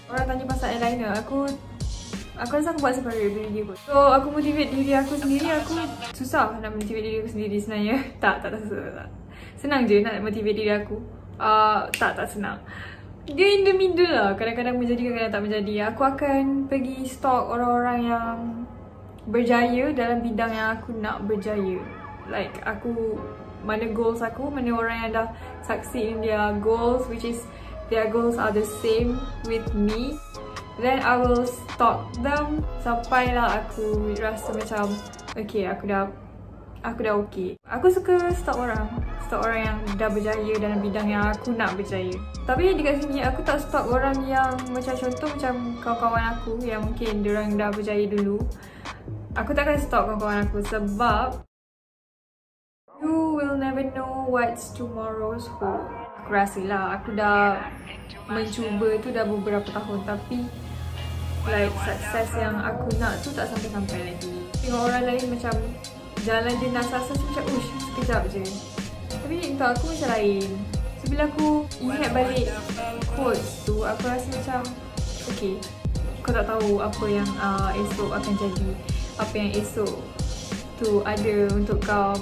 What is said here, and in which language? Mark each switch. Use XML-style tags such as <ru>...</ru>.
<ms>Orang tanya pasal eyeliner, aku rasa aku buat separuh daripada dia pun. So aku motivate diri aku sendiri, aku susah nak motivate diri aku sendiri sebenarnya. Tak. Senang je nak motivate diri aku. Tak senang. Dia</ms> <en>in the middle</en> <ms>lah, kadang-kadang menjadi, kadang-kadang tak menjadi. Aku akan pergi stalk orang-orang yang berjaya dalam bidang yang aku nak berjaya.</ms> <en>Like</en> <ms>aku, mana goals aku, mana orang yang dah</ms> <en>succeed in their goals, which is their goals are the same with me. Then I will stalk them</en> <ms>sampailah aku rasa macam okay, aku dah okay. Aku suka stalk orang yang dah berjaya dalam bidang yang aku nak berjaya. Tapi dekat sini aku tak stalk orang yang macam contoh macam kawan-kawan aku yang mungkin diorang dah berjaya dulu. Aku takkan stalk kawan-kawan aku sebab</ms> <en>you will never know what's tomorrow's hold.</en> <ms>Aku rasa lah, aku dah mencuba tu dah beberapa tahun, tapi like success yang aku nak tu tak sampai-sampai lagi. Tengok orang lain macam jalan dia nak success macam ush, sekejap je. Tapi untuk aku macam lain. So bila aku ingat balik quotes tu, aku rasa macam okay, kau tak tahu apa yang esok akan jadi, apa yang esok tu ada untuk kau.</ms>